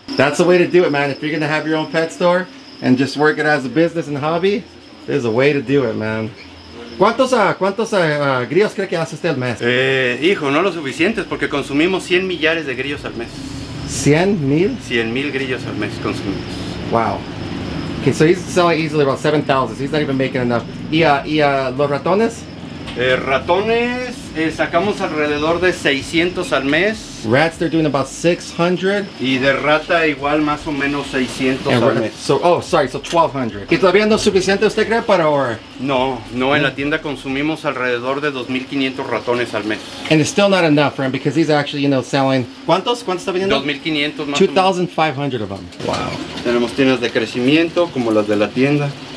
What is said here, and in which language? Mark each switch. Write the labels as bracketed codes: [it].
[en] That's the way to do it, man. If you're gonna have your own pet store and just work it as a business and hobby, there's a way to do it, man. [es] ¿Cuántos grillos cree que hace usted al mes? Hijo, no lo suficientes porque consumimos 100 millares de grillos al mes. ¿100,000? 100,000 grillos al mes consumimos. [en] Wow. Okay, so he's selling easily about 7,000. He's not even making enough. [es] ¿Y los ratones? Ratones, sacamos alrededor de 600 al mes. [en] Rats, they're doing about 600. [es] Y de rata igual más o menos 600 al mes. [en] So 1,200. [es] ¿Y todavía no es suficiente, usted cree, para ahora? No, en la tienda consumimos alrededor de 2,500 ratones al mes. [en] And it's still not enough, friend, because he's actually, you know, selling... [es] ¿Cuántos está vendiendo? 2,500 más [en] 2,500 of them. Wow. [es] Tenemos tiendas de crecimiento, como las de la tienda.